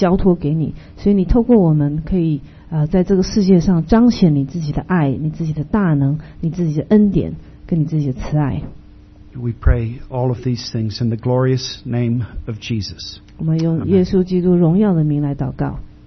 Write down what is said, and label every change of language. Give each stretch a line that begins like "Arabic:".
Chinese: 我们仰赖你，把我们的生命交托给你，所以你透过我们可以。在这个世界上彰显你自己的爱，你自己的大能，你自己的恩典，跟你自己的慈爱。
English: We pray all of these things in the glorious name of Jesus.
Chinese: 我们用耶稣基督荣耀的名来祷告。